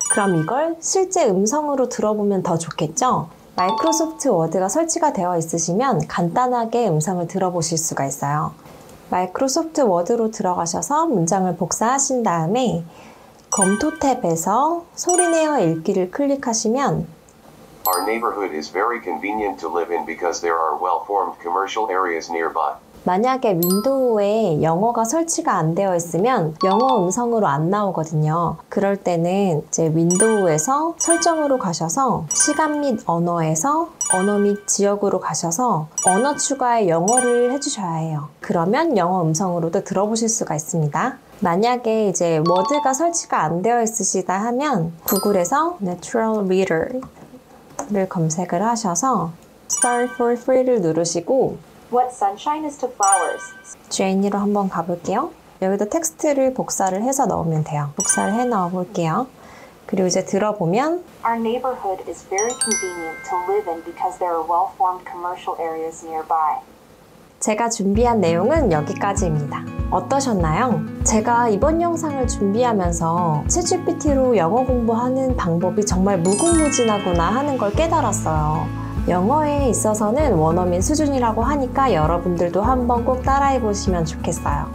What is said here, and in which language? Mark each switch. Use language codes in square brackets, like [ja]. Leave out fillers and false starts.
[ko] 그럼 이걸 실제 음성으로 들어보면 더 좋겠죠? 마이크로소프트 워드가 설치가 되어 있으시면 간단하게 음성을 들어보실 수가 있어요. 마이크로소프트 워드로 들어가셔서 문장을 복사하신 다음에 검토 탭에서 소리 내어 읽기를 클릭하시면 [en] Our neighborhood is very convenient to live in because there are well-formed commercial areas nearby. [ko] 만약에 윈도우에 영어가 설치가 안 되어 있으면 영어 음성으로 안 나오거든요. 그럴 때는 이제 윈도우에서 설정으로 가셔서 시간 및 언어에서 언어 및 지역으로 가셔서 언어 추가에 영어를 해주셔야 해요. 그러면 영어 음성으로도 들어보실 수가 있습니다. 만약에 이제 워드가 설치가 안 되어 있으시다 하면 구글에서 Natural Reader를 검색을 하셔서 Start for Free를 누르시고 [en] What sunshine is to flowers? [ko] Jane으로 한번 가볼게요. 여기도 텍스트를 복사를 해서 넣으면 돼요. 복사를 해 넣어볼게요. 그리고 이제 들어보면 [en] Our neighborhood is very convenient to live in because there are well-formed commercial areas nearby. [ko] 제가 준비한 내용은 여기까지입니다. 어떠셨나요? 제가 이번 영상을 준비하면서 ChatGPT로 영어 공부하는 방법이 정말 무궁무진하구나 하는 걸 깨달았어요. 영어에 있어서는 원어민 수준이라고 하니까 여러분들도 한번 꼭 따라해 보시면 좋겠어요.